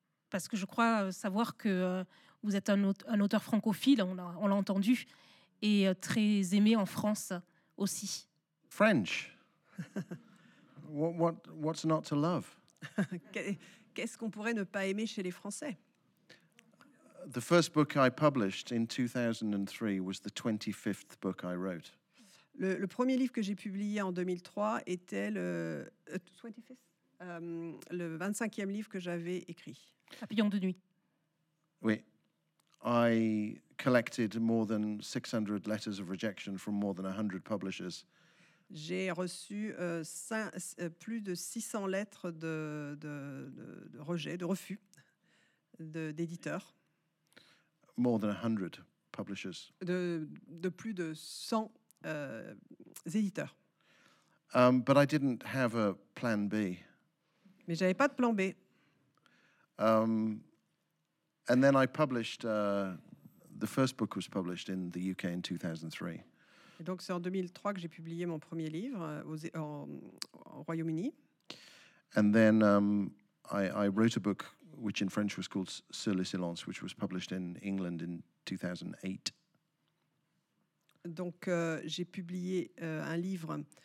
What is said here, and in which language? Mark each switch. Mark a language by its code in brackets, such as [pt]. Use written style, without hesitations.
[fr] Parce que je crois savoir que vous êtes un auteur francophile, on l'a entendu, et très aimé en France aussi. [en] French. What's not to love? [fr] Qu'est-ce qu'on pourrait ne pas aimer chez les Français? [en] The first book I published in 2003 was the 25th book I wrote. [fr] Le premier livre que j'ai publié en 2003 était le 25e livre que j'avais écrit. Papillon de nuit. Oui. [en] I collected more than 600 letters of rejection from more than 100 publishers. [fr] J'ai reçu plus de 600 lettres de rejet, de refus d'éditeurs. [en] More than 100 publishers. [fr] De plus de 100 éditeurs. [en] But I didn't have a plan B. [fr] Mais j'avais pas de plan B. [en] And then I published the first book was published in the UK in 2003. [fr] Et donc c'est en 2003 que j'ai publié mon premier livre au Royaume-Uni. [en] And then I wrote a book which in French was called Sur les silences, which was published in England in 2008. [fr] Donc j'ai publié un livre.